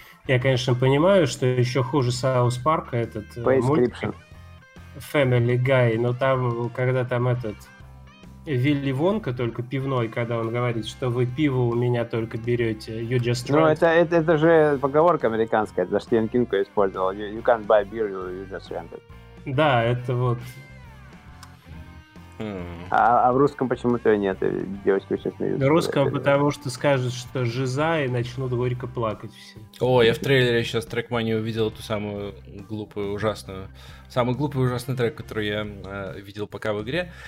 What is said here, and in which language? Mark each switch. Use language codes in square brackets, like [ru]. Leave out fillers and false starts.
[ru] Я, конечно, понимаю, что еще хуже South Park этот мультик Family Guy, но там, когда там этот Вилли Вонка, только пивной, когда он говорит, что вы пиво у меня только берете, [en] you just drink. [ru] Ну, это же поговорка американская, это Стивен Кинг использовал. [en] You can't buy beer, you just drink it. [ru] Да, это вот... А в русском почему-то нет, девочки очень смеются. В русском, потому что скажут, что жиза, и начнут горько плакать все. О, я в трейлере сейчас Трекмании увидел ту самую глупую, ужасную, самый глупый и ужасный трек, который я видел пока в игре.